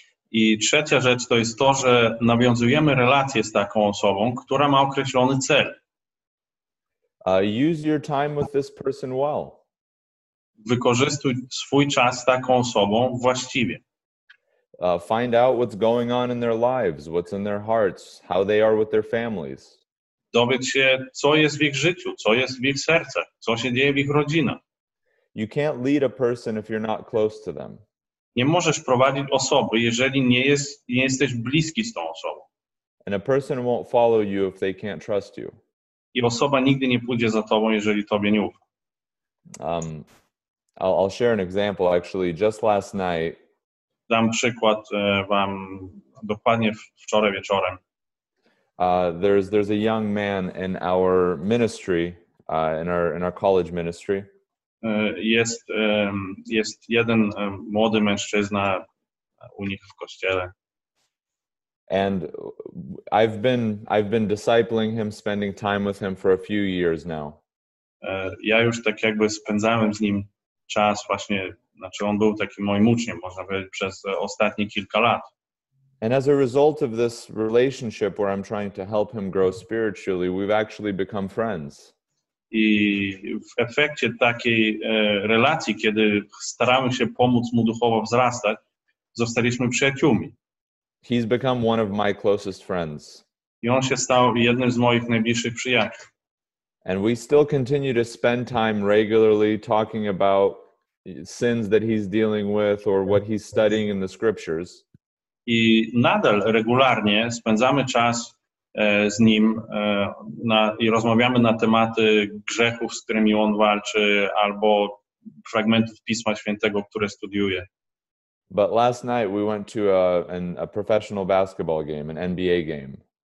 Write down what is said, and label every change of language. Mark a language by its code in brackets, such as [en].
[pl] I trzecia rzecz to jest to, że nawiązujemy relację z taką osobą, która ma określony cel. [en] Use your time with this person well. [pl] Wykorzystuj swój czas z taką osobą właściwie. [en] Find out what's going on in their lives, what's in their hearts, how they are with their families. [pl] Dowiedz się, co jest w ich życiu, co jest w ich sercach, co się dzieje w ich rodzinach. [en] You can't lead a person if you're not close to them. [pl] Nie możesz prowadzić osoby, jeżeli nie jesteś bliski z tą osobą. [en] And a person won't follow you if they can't trust you. [pl] I osoba nigdy nie pójdzie za tobą, jeżeli tobie nie ufa. [en] I'll share an example, actually, just last night. [pl] Dam przykład wam dokładnie wczoraj wieczorem. [en] There's a young man in our ministry, in our college ministry. [pl] Jest jeden młody mężczyzna u nich w kościele. [en] And I've been discipling him, spending time with him for a few years now. [pl] Ja już tak jakby spędzałem z nim czas właśnie, znaczy on był takim moim uczniem, można powiedzieć, przez ostatnie kilka lat. [en] And as a result of this relationship where I'm trying to help him grow spiritually, we've actually become friends. [pl] I w efekcie takiej relacji, kiedy staramy się pomóc mu duchowo wzrastać, zostaliśmy przyjaciółmi. [en] He's become one of my closest friends. [pl] I on się stał jednym z moich najbliższych przyjaciół. [en] And we still continue to spend time regularly talking about sins that he's dealing with or what he's studying in the scriptures. [pl] I nadal regularnie spędzamy czas z nim i rozmawiamy na tematy grzechów, z którymi on walczy, albo fragmentów Pisma Świętego, które studiuje. [en] But last night we went to a professional basketball game, an NBA game.